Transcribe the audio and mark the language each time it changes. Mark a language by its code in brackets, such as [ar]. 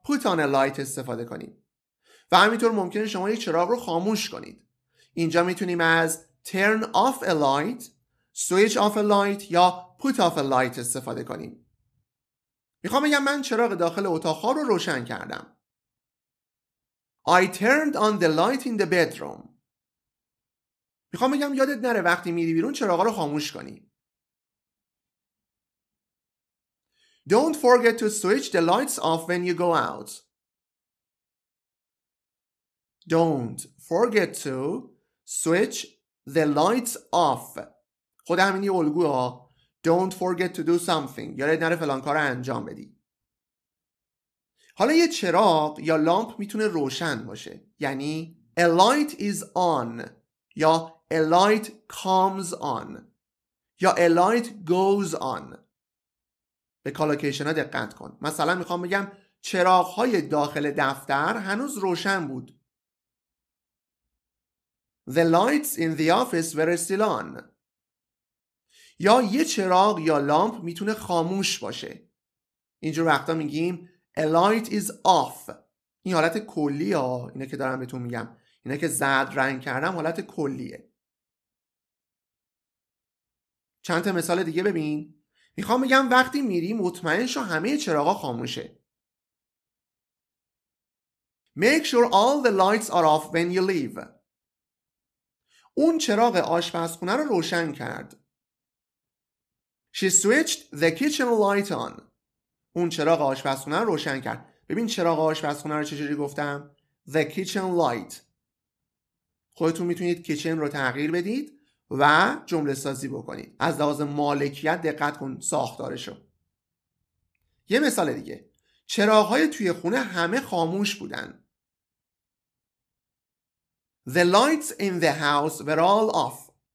[en] put on a light [fa] استفاده کنیم. و همینطور ممکنه شما یک چراغ رو خاموش کنید. اینجا میتونیم از [en] turn off a light، switch off a light [fa] یا [en] put off a light [fa] استفاده کنیم. میخوام بگم من چراغ داخل اتاق رو روشن کردم. [en] I turned on the light in the bedroom. [fa] میخوام بگم یادت نره وقتی میری بیرون چراغ رو خاموش کنی. [en] Don't forget to switch the lights off when you go out. Don't forget to switch the lights off. [fa] خود همینی الگوها. [en] Don't forget to do something. [fa] یادت نره فلان کار رو انجام بدی. حالا یه چراغ یا لامپ میتونه روشن باشه. [en] یعنی a light is on یا a light comes on یا a light goes on. [fa] به کالوکیشن ها دقت کن. مثلا میخوام بگم چراغ های داخل دفتر هنوز روشن بود. [en] The lights in the office were still on. [fa] یا یه چراغ یا لامپ میتونه خاموش باشه. اینجور وقتا میگیم [en] A light is off. [fa] این حالت کلیه. اینا که دارم بهتون میگم، اینا که زرد رنگ کردم حالت کلیه. چند تا مثال دیگه ببین. میخوام بگم وقتی میری مطمئن شو همه چراغا خاموشه. [en] Make sure all the lights are off when you leave. [fa] اون چراغ آشپزخونه رو روشن کرد. [en] She switched the kitchen light on. [fa] اون چراغ آشپزخونه رو روشن کرد. ببین چراغ آشپزخونه رو چجوری گفتم؟ [en] The kitchen light. [fa] خودتون میتونید kitchen رو تغییر بدید و جمله سازی بکنید. از لحاظ مالکیت دقت کن ساختارشو. یه مثال دیگه. چراغ‌های توی خونه همه خاموش بودن. [en] The lights in the house were all off.